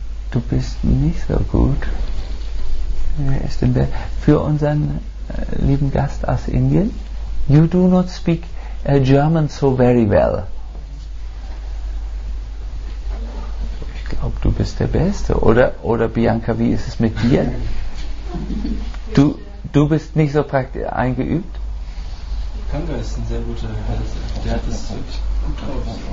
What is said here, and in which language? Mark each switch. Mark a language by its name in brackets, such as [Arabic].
[German] Du bist nicht so gut. Wer ist denn der? Für unseren lieben Gast aus Indien. [English] You do not speak German so very well. [German] Ich glaube, du bist der Beste. Oder Bianca, wie ist es mit dir? Du bist nicht so praktisch eingeübt? Kanga ist ein sehr guter Herr. Der hat es wirklich gut drauf.